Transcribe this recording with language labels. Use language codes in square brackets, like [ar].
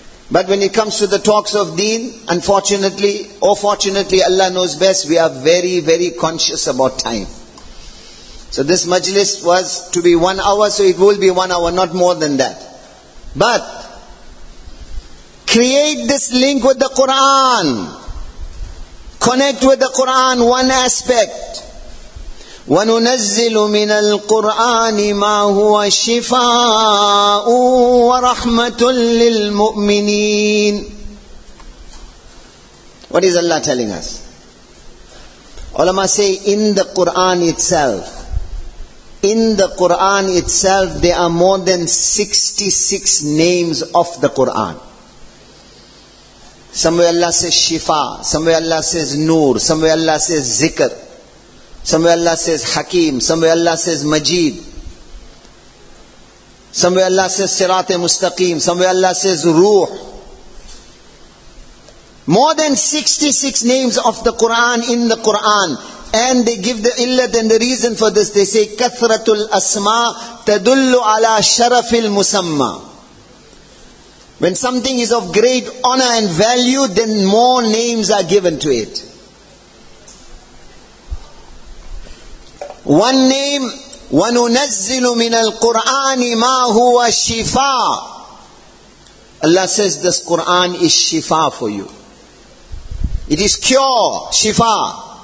[en] But when it comes to the talks of deen, unfortunately or fortunately, Allah knows best, we are very, very conscious about time. So this majlis was to be 1 hour, so it will be 1 hour, not more than that. But create this link with the Quran. Connect with the Quran, one aspect. [ar] وَنُنَزِّلُ مِنَ الْقُرْآنِ مَا هُوَ شِفَاءٌ وَرَحْمَةٌ لِلْمُؤْمِنِينَ. [en] What is Allah telling us? Ulama say in the Quran itself, in the Quran itself, there are more than 66 names of the Quran. Somewhere Allah says Shifa, somewhere Allah says Noor, somewhere Allah says Zikr, somewhere Allah says Hakim, somewhere Allah says Majid, somewhere Allah says Sirat Mustaqim, somewhere Allah says Ruh. More than 66 names of the Quran in the Quran. And they give the illat and the reason for this. They say, [ar] kathratul asma tadullu ala sharafil musamma. [en] When something is of great honor and value, then more names are given to it. One name, [ar] وَنُنَزِّلُ مِنَ الْقُرْآنِ مَا هُوَ [en] shifa. Allah says, this Quran is shifa for you. It is cure, shifa.